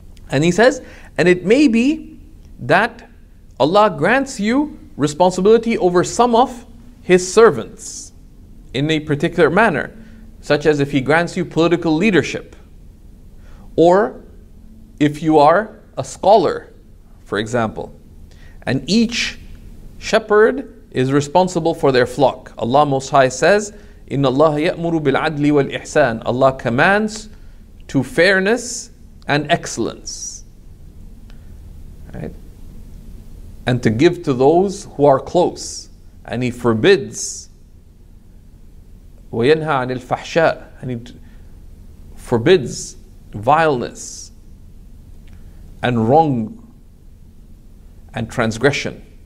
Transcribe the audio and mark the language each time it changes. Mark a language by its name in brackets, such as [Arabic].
[English] And he says, and it may be that Allah grants you responsibility over some of his servants in a particular manner, such as if he grants you political leadership, or if you are a scholar, for example. And each shepherd is responsible for their flock. Allah Most High says, [Arabic] إِنَّ اللَّهَ يَأْمُرُ بِالْعَدْلِ وَالْإِحْسَانِ. [English] Allah commands to fairness and excellence. Right? And to give to those who are close. And He forbids, [Arabic] وَيَنْهَى عَنِ الْفَحْشَاءِ. [English] And He forbids vileness and wrong and transgression.